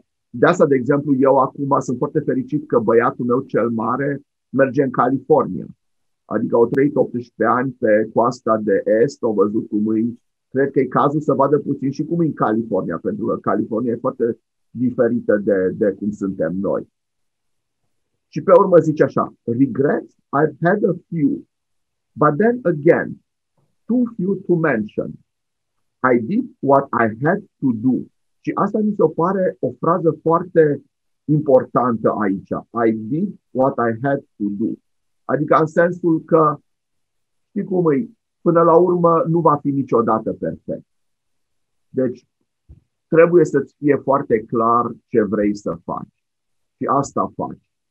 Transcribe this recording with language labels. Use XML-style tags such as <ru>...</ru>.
<ro>De asta, de exemplu, eu acum sunt foarte fericit că băiatul meu cel mare merge în California. Adică au trăit 18 ani pe coasta de est, au văzut cum e. Cred că e cazul să vadă puțin și cum e în California, pentru că California e foarte diferită de cum suntem noi. Și pe urmă zice așa,</ro> <en>regrets, I've had a few, but then again, too few to mention. I did what I had to do.</en> <ro>Și asta mi se pare o frază foarte importantă aici.</ro> <en>I did what I had to do.</en> <ro>Adică în sensul că, știi cum e, până la urmă nu va fi niciodată perfect. Deci trebuie să-ți fie foarte clar ce vrei să faci. Și asta faci.</ro>